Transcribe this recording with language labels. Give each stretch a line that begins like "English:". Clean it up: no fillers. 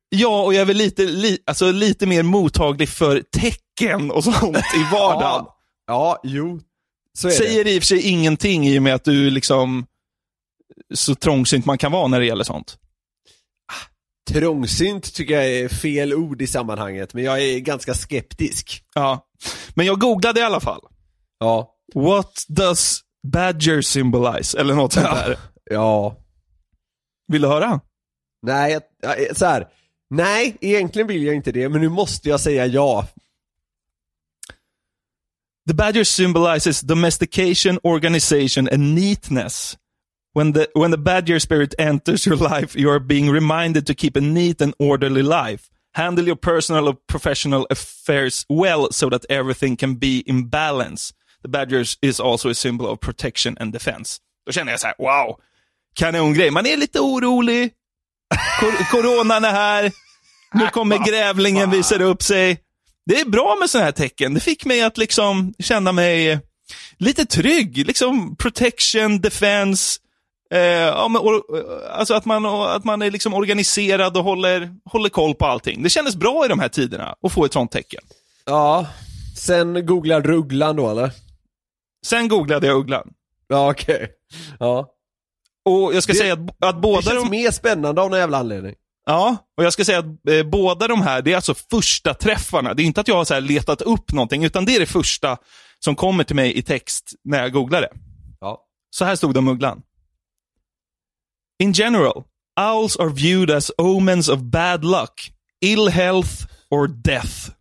Swedish: Ja, och jag är väl lite mer mottaglig för tecken och sånt i vardagen. Ja, jo. Så är säger det i och för sig ingenting i och med att du liksom så trångsynt man kan vara när det gäller sånt. Trångsynt tycker jag är fel ord i sammanhanget, men jag är ganska skeptisk. Ja, men jag googlade i alla fall. Ja.
English: What does badger symbolize?
Swedish: Eller något sånt där. Ja. Vill du höra? Nej, så här. Nej, egentligen vill jag inte det, men nu måste jag säga ja.
English: The badger symbolizes domestication, organization and neatness. When the badger spirit enters your life, you are being reminded to keep a neat and orderly life. Handle your personal or professional affairs well so that everything can be in balance. The badger is also a symbol of protection and defense.
Swedish: Då känner jag så här, wow, kanongrej. Man är lite orolig. Coronan är här. Nu kommer grävlingen visa upp sig. Det är bra med såna här tecken. Det fick mig att liksom känna mig lite trygg. Liksom
English: protection, defense.
Swedish: Alltså att man är liksom organiserad och håller koll på allting. Det kändes bra i de här tiderna att få ett sånt tecken. Ja, sen googlade rugglan då eller? Sen googlade jag ugglan. Ja, okej. Okay. Ja. Och jag ska säga att båda de mer spännande av någon jävla anledning. Ja, och jag ska säga att båda de här, det är alltså första träffarna. Det är inte att jag har så här letat upp någonting, utan det är det första som kommer till mig i text när jag googlar det. Ja. Så här stod det om ugglan.
English: In general, owls are viewed as omens of bad luck, ill health or death.